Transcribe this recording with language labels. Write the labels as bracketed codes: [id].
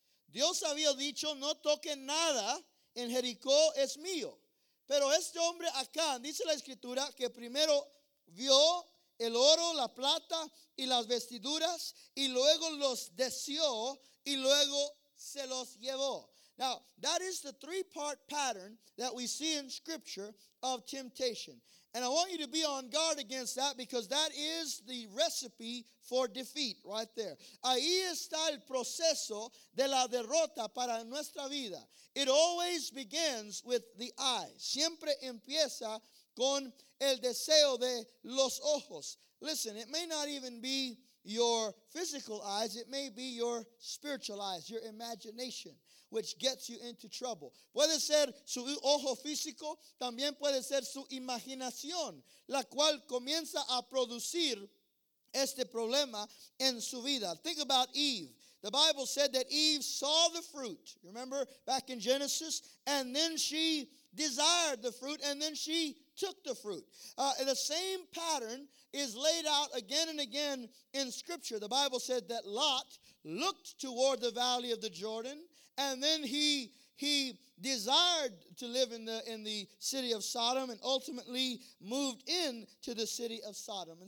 [es] Dios había dicho, no toquen nada en Jericó, es mío. Pero este hombre acá, dice la escritura, que primero vio el oro, la plata y las vestiduras, y luego los deseó y luego se los llevó. [en] Now, that is the three-part pattern that we see in Scripture of temptation. And I want you to be on guard against that, because that is the recipe for defeat right there. [es] Ahí está el proceso de la derrota para nuestra vida. [en] It always begins with the eye. [es] Siempre empieza con el deseo de los ojos. [en] Listen, it may not even be your physical eyes. It may be your spiritual eyes, your imagination, which gets you into trouble. [es] Puede ser su ojo físico, también puede ser su imaginación, la cual comienza a producir este problema en su vida. [en] Think about Eve. The Bible said that Eve saw the fruit, remember, back in Genesis, and then she desired the fruit, and then she took the fruit. And the same pattern is laid out again and again in Scripture. The Bible said that Lot looked toward the valley of the Jordan, and then he desired to live in the city of Sodom, and ultimately moved in to the city of Sodom.